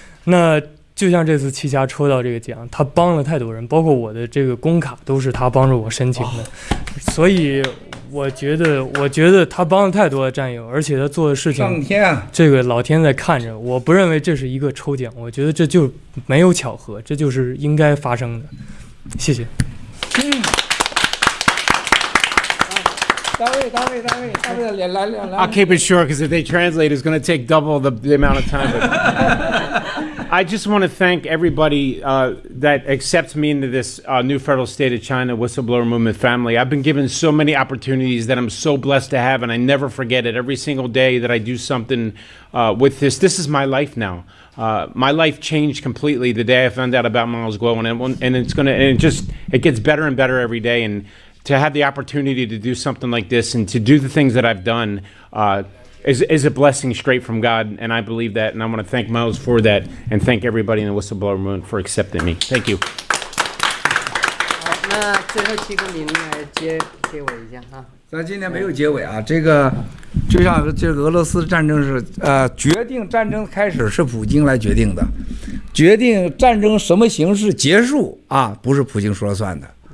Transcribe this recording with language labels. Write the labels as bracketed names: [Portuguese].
[Chinese] 那就像这次七家抽到这个奖，他帮了太多人，包括我的这个工卡都是他帮助我申请的，所以我觉得他帮了太多的战友，而且他做的事情上天、啊、这个老天在看着，我不认为这是一个抽奖，我觉得这就没有巧合，这就是应该发生的。谢谢。 [English] I'll keep it short because if they translate it's going to take double the amount of time. I just want to thank everybody that accepts me into this new federal state of China whistleblower movement family. I've been given so many opportunities that I'm so blessed to have, and I never forget it. Every single day that I do something with this, this is my life now. My life changed completely the day I found out about Miles Guo, and it gets better and better every day. And to have the opportunity to do something like this and to do the things that I've done is a blessing straight from God, and I believe that, and I want to thank Miles for that and thank everybody in the Whistleblower Moon for accepting me. Thank you. [Chinese] 那最后七个名来结尾一下哈。咱今天没有结尾啊，这个就像这俄罗斯战争是决定战争开始是普京来决定的，决定战争什么形式结束啊，不是普京说了算的。